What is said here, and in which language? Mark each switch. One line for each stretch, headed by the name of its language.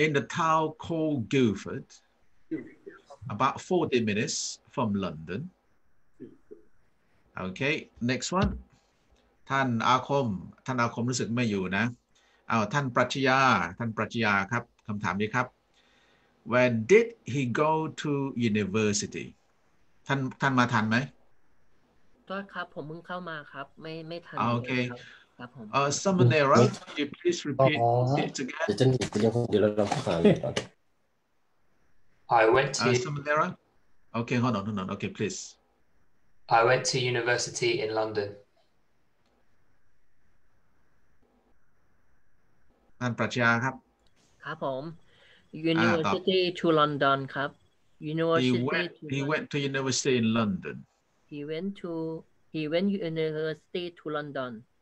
English: In the town called Guildford about 40 minutes from London okay next one
Thai: ท่านอาคมท่านอาคมรู้สึกไม่อยู่นะเอาท่านปรัชญาท่านปรัชญาครับคำถามนี้ครับ
English: When did he go to university
Thai: ท่านมาทันไหม ต้อนครับผมเพิ่งเข้ามาครับไม่ทัน โอเค ครับ ผม
English: Samanera could you please repeat it again I went to Samanera okay hold on okay please I went to university in London
Thai: ท่านปรัชญาครับ ครับผม
English: University to London
Thai: ครับ University
English: he went to university in London he went to university to London